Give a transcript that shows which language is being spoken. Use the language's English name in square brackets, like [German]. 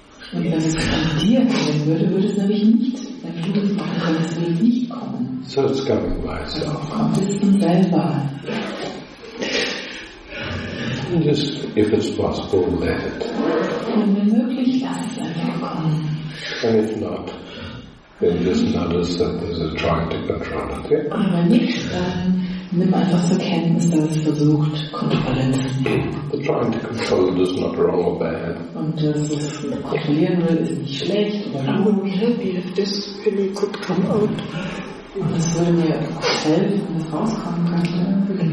[English] So it's coming by itself. Just, if it's possible, let it. And if not, then just notice that there's a trying to control it. [German] Nimm einfach zur Kenntnis, dass es versucht, Kontrolle zu nehmen. [English] Trying to control it is not wrong or bad. [German] Und dass es kontrollieren will, ist nicht schlecht. [English] I would be happy if this really could come out. [German] Und es würde mir helfen, wenn es rauskommen könnte.